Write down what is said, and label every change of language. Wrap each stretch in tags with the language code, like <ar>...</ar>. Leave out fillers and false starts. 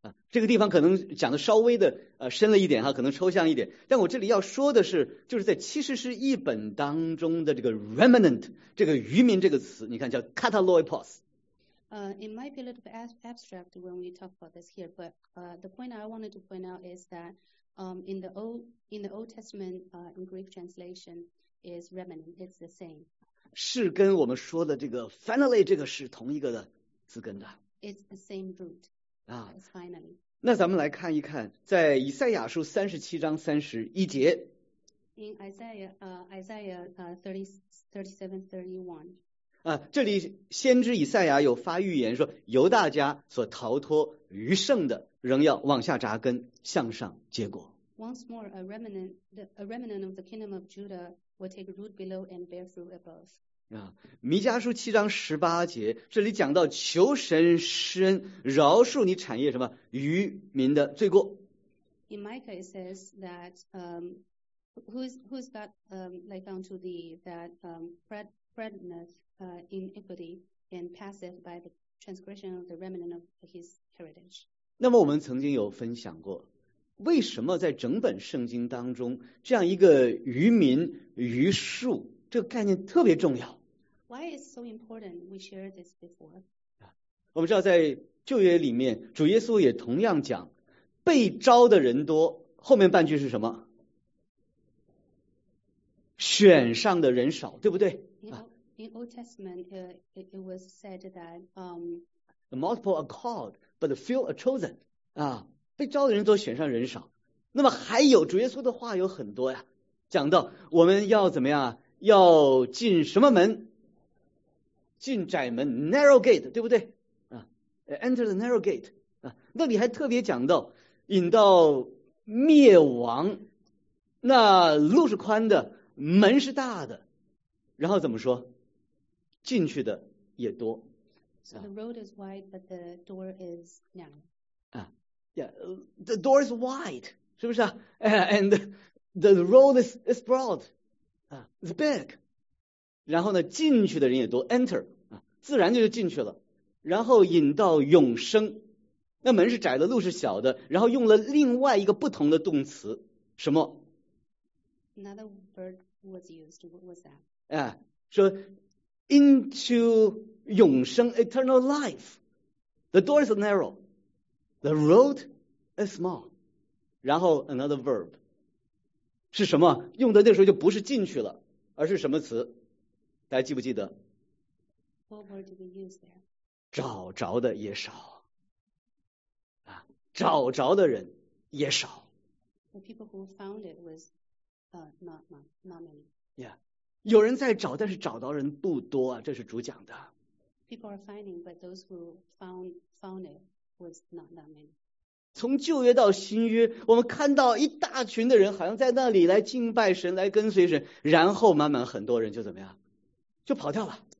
<zh>这个地方可能讲的稍微的深了一点哈，可能抽象一点。但我这里要说的是，就是在其实是译本当中的这个 remnant 这个余民这个词，你看叫 kataloipos。</zh> <en>It might be a little bit abstract when we talk about this here, but the point I wanted to point out is that in the Old Testament in Greek translation is remnant. It's the same.</en> <zh>是跟我们说的这个 finally 这个是同一个的字根的。</zh> <en>It's the same root. It's finally.</en> <zh>那咱们来看一看，在以赛亚书三十七章三十一节。</zh> <en>In Isaiah 37:31.</en> <zh>这里先知以赛亚有发预言说，犹大家所逃脱余剩的，仍要往下扎根，向上结果。</zh> <en>Once more, a remnant of the kingdom of Judah. Will take root below and bear fruit above.</en> <zh>弥迦书七章十八节，这里讲到求神施恩，饶恕你产业什么余民的罪过。</zh> <en>In Micah it says that who's got like unto thee that preadeth iniquity and passeth by the transgression of the remnant of his heritage.</en> <zh>那么我们曾经有分享过。为什么在整本圣经当中这样一个余民余数这个概念特别重要</zh> <en>Why is so important we share this before?</en> <zh>我们知道在旧约里面主耶稣也同样讲被招的人多后面半句是什么选上的人少对不对</zh> <en>In Old Testament it was said that the multiple are called but the few are chosen</en> <zh>被招的人多选上人少那么还有主耶稣的话有很多呀讲到我们要怎么样要进什么门进窄门</zh> <en>narrow gate</en> <zh>对不对</zh> <en>Enter the narrow gate.</en> <zh>那里还特别讲到引到灭亡，那路是宽的，门是大的，然后怎么说？进去的也多。</zh> <en>So the road is wide, but the door is narrow. The door is wide,</en> <zh>是不是啊？</zh> <en>And the road is broad, it's big.</en> <zh>然后呢，进去的人也多 ，enter 啊，自然就进去了。然后引到永生。那门是窄的，路是小的，然后用了另外一个不同的动词，什么</zh> <en>？Another word was used. What was that?</en> <zh>说 into 永生</zh> <en>eternal life. The door is narrow, the road is small.</en> <zh>然后</zh> <en>another verb</en> <zh>是什么？用的那时候就不是进去了，而是什么词？大家记不记得</zh> <en>？What word did we use there?</en> <zh>找着的也少。找着的人也少。</zh> <en>The people who found it was not many.</en> <zh>Yeah, 有人在找，但是找到人不多啊，这是主讲的。</zh> <en>People are finding, but those who found it was not that many.</en> <zh>从旧约到新约，我们看到一大群的人好像在那里来敬拜神，来跟随神，然后慢慢很多人就怎么样，就跑掉了。</zh>